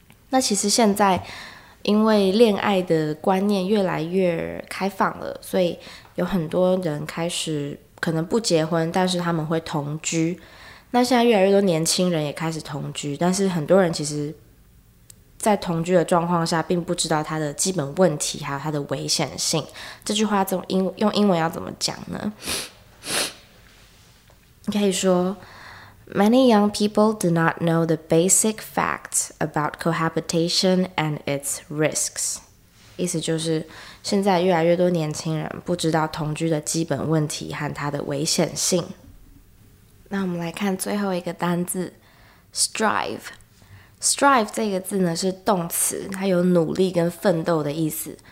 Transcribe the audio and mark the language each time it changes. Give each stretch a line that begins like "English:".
Chinese: 那其实现在，因为恋爱的观念越来越开放了，所以有很多人开始可能不结婚，但是他们会同居。那现在越来越多年轻人也开始同居，但是很多人其实，在同居的状况下，并不知道它的基本问题，还有它的危险性。这句话用英文要怎么讲呢？你可以说：
English: Many young people do not know the basic facts about cohabitation and its risks。
Chinese: 意思就是，现在越来越多年轻人不知道同居的基本问题和它的危险性。那我们来看最后一个单字：strive。 Strive 这个字呢是动词，它有努力跟奋斗的意思。